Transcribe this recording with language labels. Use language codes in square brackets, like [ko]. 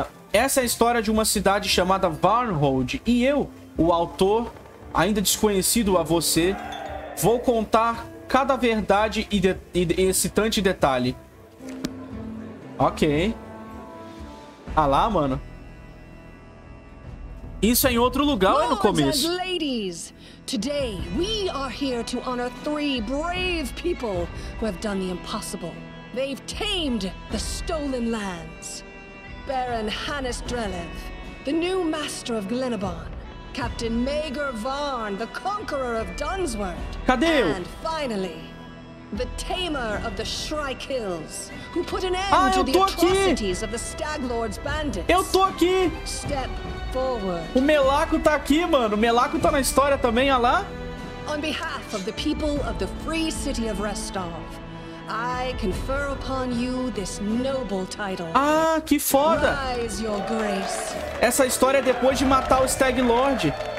[pt] Essa é a história de uma cidade chamada Varnhold, e eu, o autor, ainda desconhecido a você, vou contar cada verdade e excitante detalhe. Ok. Ah lá, mano. Isso é em outro lugar ou é no começo? [en] Today we are here to honor three brave people who have done the impossible. They've tamed the stolen lands. Baron Hannes Drelev, the new master of Glenabon. Captain Maegor Varn, the conqueror of Dunsward. [pt] Cadê eu? [en] And finally, the tamer of the Shrike Hills, who put an end to the atrocities [pt] aqui. [en] Of the Staglord's bandits. [pt] Eu tô aqui. [en] Step forward. [pt] O Melaco tá aqui, mano. O Melaco tá na história também, olha lá. [en] On behalf of the people of the free city of Restov, I confer upon you this noble title. [pt] Ah, que foda! [en] Rise, your grace. [pt] Essa história é depois de matar o Stag Lord.